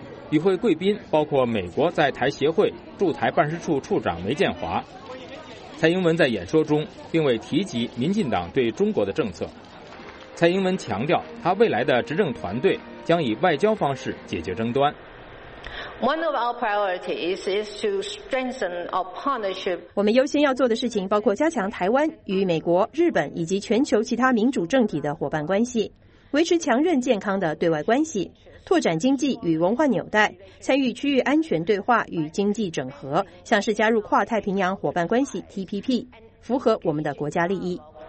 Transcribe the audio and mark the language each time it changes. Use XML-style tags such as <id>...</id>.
<zh>与会贵宾包括美国在台协会驻台办事处处长梅建华。蔡英文在演说中并未提及民进党对中国的政策。蔡英文强调，他未来的执政团队将以外交方式解决争端。</zh> <en>One of our priorities is to strengthen our partnership.</en> <zh>我们优先要做的事情包括加强台湾与美国、日本以及全球其他民主政体的伙伴关系，维持强韧健康的对外关系，拓展经济与文化纽带，参与区域安全对话与经济整合，像是加入跨太平洋伙伴关系 TPP， 符合我们的国家利益。</zh>